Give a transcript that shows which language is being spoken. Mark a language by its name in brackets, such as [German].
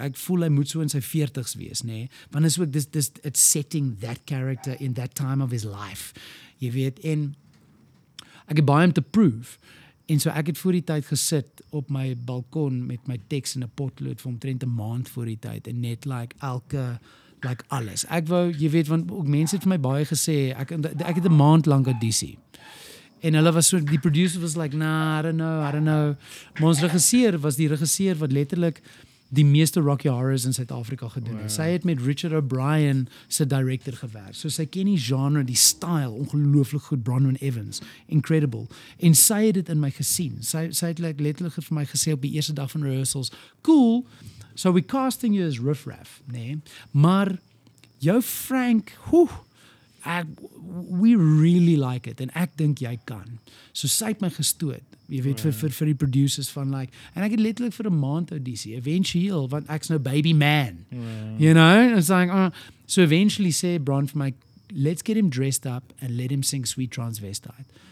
[Afrikaans] Ek voel, hy moet so in sy 40s wees, nee. Want is ook, dis, [English] it's setting that character in that time of his life. [Afrikaans] Jy weet, en ek het baie om te prove. En so ek het voor die tyd gesit op my balkon met my tekst en 'n potlood vir omtrent 'n maand voor die tyd. En net like elke, like alles. Ek wou, jy weet, want ook mense het vir my baie gesê, ek het 'n maand lang audisie. En hulle was so, die producer was like, [English] nah, I don't know. [Afrikaans] Maar ons regisseur was die regisseur wat letterlik die meeste Rocky Horrors in Suid-Afrika gedoen het. Sy het met Richard O'Brien sy director gewerk. So sy ken die genre, die style, ongelooflik goed, Bronwyn Evans, incredible. En sy het dit in my gesien. Sy het like letterlijk vir my gesê op die eerste dag van rehearsals, cool, [English] so we casting you as Riff Raff, [Afrikaans] nee? Maar jou Frank, [English] we really like it, [Afrikaans] en ek dink jy kan. So sy het my gestoot. Jy weet, vir die producers van like, en ek het letterlijk vir 'n maand audisie, eventueel, want ek is nou baby man. [English] Yeah. You know? It's like, so eventually [Afrikaans] sê Bron vir my, [English] let's get him dressed up and let him sing Sweet Transvestite.